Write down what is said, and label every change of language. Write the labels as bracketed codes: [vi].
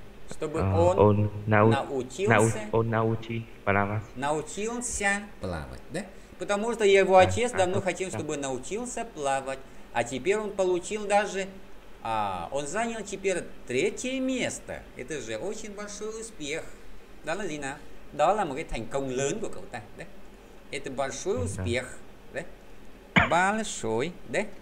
[ru] чтобы он научить плавать. научился плавать, да? Потому что его отец давно хотел, чтобы научился плавать, а теперь он получил даже, он занял теперь третье место. Это же очень большой успех. [vi] Đó là gì nào? Đó là một cái thành công lớn của cậu ta, đấy. [ru] Это большой успех, đấy. Большой, đấy.